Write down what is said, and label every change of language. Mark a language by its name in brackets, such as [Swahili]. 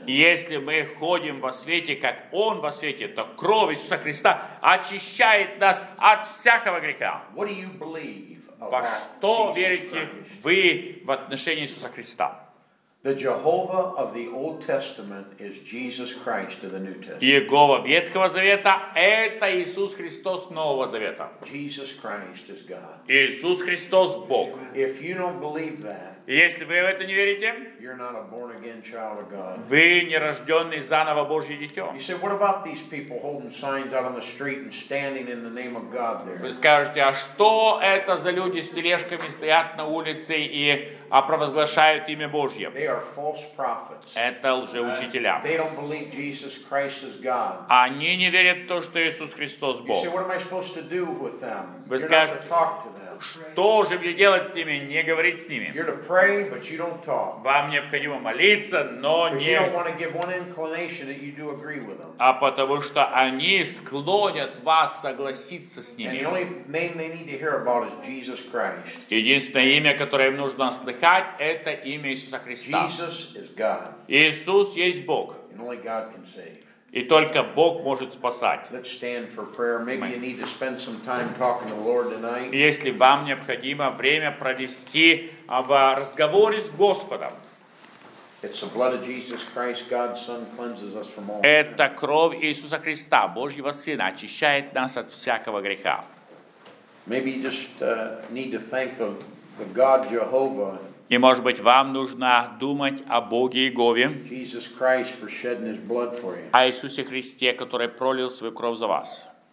[Russian] Если мы ходим во свете, как Он во свете, то кровь Иисуса Христа очищает нас от всякого греха. [English] What do you believe about [Russian] Во что верите вы в отношении Иисуса Христа? [English] The Jehovah of the Old Testament is Jesus Christ of the New Testament. [Russian] Иегова Ветхого Завета это Иисус Христос Нового Завета. [English] Jesus Christ is God. [Russian] Иисус Христос Бог. [English] If you don't believe that, [Russian] если вы в это не верите, [English] you're not a born again child of God. [Russian] Вы не рожденный заново Божье дитё. [English] You say, what about these people holding signs out on the street and standing in the name of God there? [Russian] Вы скажете, а что это за люди с тележками стоят на улице и провозглашают имя Божье? [English] They are false prophets. [Russian] Это лжеучителя. [English] They don't believe Jesus Christ is God. [Russian] Они не верят в то, что Иисус Христос Бог. [English] You say, what am I supposed to do with them? [Russian] Вы скажете, что же мне делать с ними? Не говорить с ними. [English] You're to pray, but you don't talk. [Russian] Вам необходимо молиться, но не. [English] Because you don't want to give one inclination that you do agree with them. [Russian] А потому что они склонят вас согласиться с ними. [English] And the only name they need to hear about is Jesus Christ. [Russian] Единственное имя, которое им нужно слыхать, это имя Иисуса Христа. [English] Jesus is God. [Russian] Иисус есть Бог. [English] And only God can save. [Russian] И только Бог может спасать. [English] Let's stand for prayer. Maybe you need to spend some time talking to the Lord tonight. [Russian] Если вам необходимо время провести в разговоре с Господом. [English] It's the blood of Jesus Christ, God's Son, cleanses us from all. [Russian] Это кровь Иисуса Христа, Божьего Сына, очищает нас от всякого греха. [English] Maybe you just need to thank the God Jehovah. [Russian] И, может быть, вам нужно думать о Боге Иегове, о Иисусе Христе, который пролил свою кровь за вас.